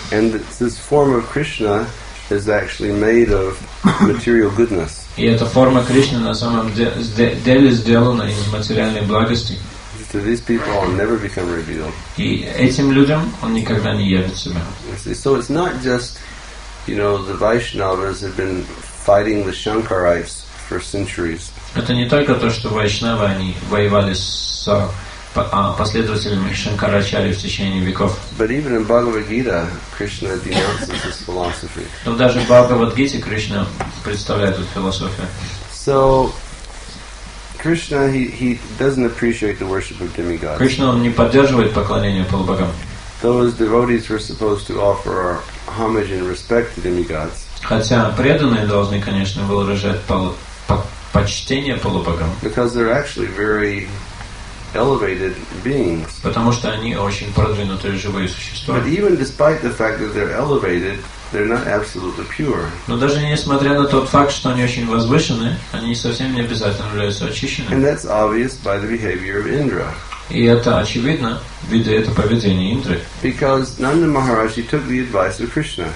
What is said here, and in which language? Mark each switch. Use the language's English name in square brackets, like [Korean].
[English] And this form of Krishna is actually made of material goodness. [Russian] И эта форма Кришны на самом деле сделана из материальной благости. [English] To these people, I'll never become revealed. [Russian] И этим людям он никогда не явит себя. [English] So it's not just, you know, the Vaishnavas have been fighting the Shankarites for centuries. [Russian] Это не только то, что Вайшнавы, они воевали с последователями Шанкарачарьи в течение веков. [English] But even in Bhagavad Gita, Krishna denounces this philosophy. [Russian] Но даже в Бхагавад Гите Кришна представляет эту философию. [English] So Krishna he doesn't appreciate the worship of demigods. [Russian] Кришна не поддерживает поклонение полубогам. [English] Those devotees were supposed to offer homage and respect to demigods. [Russian] Хотя преданные должны, конечно, выражать почтение полубогам. [English] Because they're actually very elevated beings. [Russian] Потому что они очень продвинутые живые существа. [English] But even despite the fact that they're elevated, they're not absolutely pure. [Russian] Но даже несмотря на тот факт, что они очень возвышены, они совсем не обязательно являются очищенными. [English] And that's obvious by the behavior of Indra. [Russian] И это очевидно, видя это поведение Индры. [English] Because Nanda Maharaj took the advice of Krishna.